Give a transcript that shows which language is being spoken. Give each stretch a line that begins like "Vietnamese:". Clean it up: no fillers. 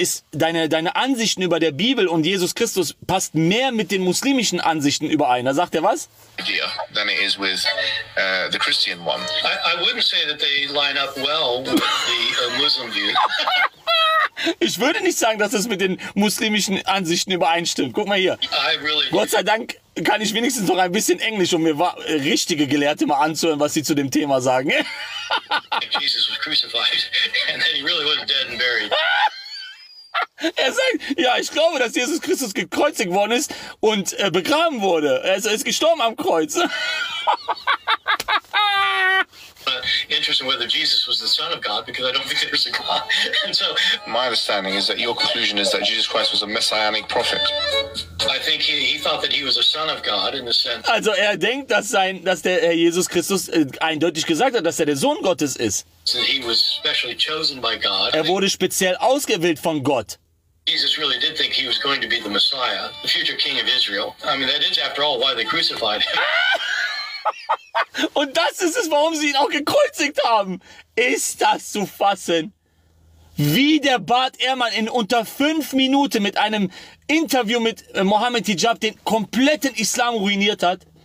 German: Deine Ansichten über der Bibel und Jesus Christus passt mehr mit den muslimischen Ansichten überein. Da sagt er was?
English: Than it is with the Christian one. I wouldn't say that they line up well with the Muslim view.
German: Ich würde nicht sagen, dass es mit den muslimischen Ansichten übereinstimmt. Guck mal hier. Gott sei Dank kann ich wenigstens noch ein bisschen Englisch, um mir richtige Gelehrte mal anzuhören, was sie zu dem Thema sagen.
English: Jesus was crucified and then he really wasn't dead and buried.
German: Er sagt, ja, ich glaube, dass Jesus Christus gekreuzigt worden ist und begraben wurde. Er ist gestorben am Kreuz.
English: Interesting whether Jesus was the son of God, because I don't think there's a God. And so my understanding is that your conclusion is that Jesus Christ was a messianic prophet. I think he thought that he was a son of God in the sense.
German: Also er denkt, dass der Herr Jesus Christus eindeutig gesagt hat, dass er der Sohn Gottes ist.
English: So he was specially chosen by God.
German: Er wurde speziell ausgewählt von Gott.
English: Jesus really did think he was going to be the Messiah, the future king of Israel. I mean, that is after all why they crucified him.
German: Und das ist es, warum sie ihn auch gekreuzigt haben. Ist das zu fassen? Wie der Bart Ehrmann in unter 5 Minuten mit einem Interview mit Mohammed Hijab den kompletten Islam ruiniert hat?